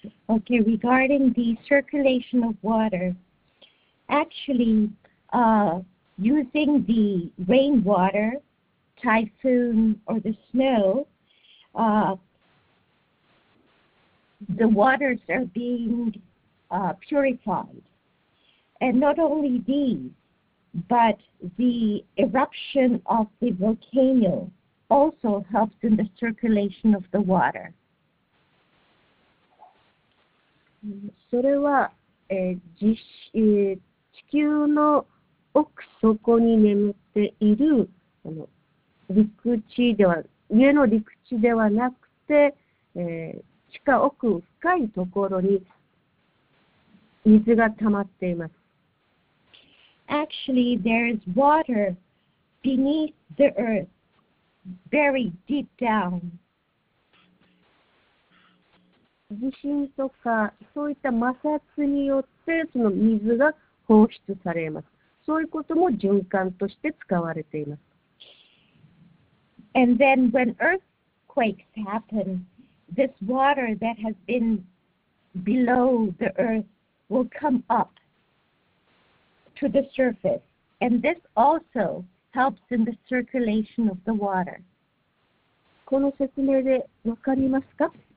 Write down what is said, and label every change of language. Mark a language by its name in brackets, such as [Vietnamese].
[English] Okay, regarding the circulation of water, actually, using the rainwater,typhoon or the snow, the waters are being purified. And not only these, but the eruption of the volcano also helps in the circulation of the water. [Japanese] それは、地球の奥底に眠っている陸地では、上の陸地ではなくて、地下奥深いところに水が溜まっています。 [English] Actually, there is water beneath the earth, very deep down. [Japanese] 地震とか、そういった摩擦によって、その水が放出されます。そういうことも循環として使われています。 [English] And then when earthquakes happen, this water that has been below the earth will come up to the surface. And this also helps in the circulation of the water. [Japanese] この説明でわかりますか?